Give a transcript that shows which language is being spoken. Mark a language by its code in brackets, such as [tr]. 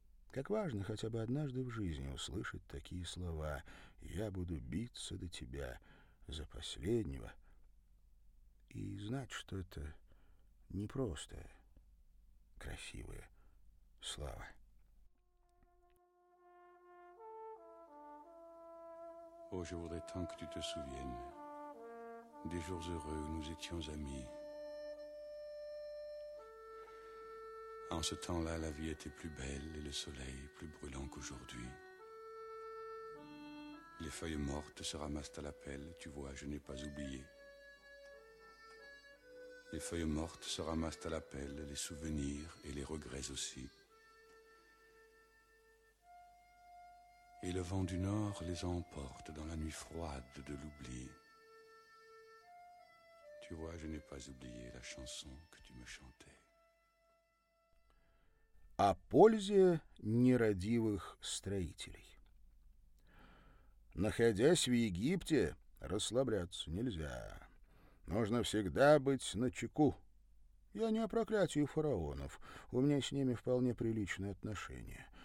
[ru] Как важно хотя бы однажды в жизни услышать такие слова: «Я буду биться до тебя за последнего». И знать, что это не просто красивые слова. [fr] Oh, je voudrais tant que tu te souviennes des jours heureux où nous étions amis. En ce temps-là, la vie était plus belle et le soleil plus brûlant qu'aujourd'hui. Les feuilles mortes se ramassent à la pelle, tu vois, je n'ai pas oublié. Les feuilles mortes se ramassent à la pelle, les souvenirs et les regrets aussi. Et le vent du nord les emporte dans la nuit froide de l'oubli. Tu vois, je n'ai pas oublié la chanson que tu me chantais. [ru] О пользе нерадивых строителей. Находясь в Египте, расслабляться нельзя. Нужно всегда быть начеку. Я не о проклятии фараонов, у меня с ними вполне приличные отношения.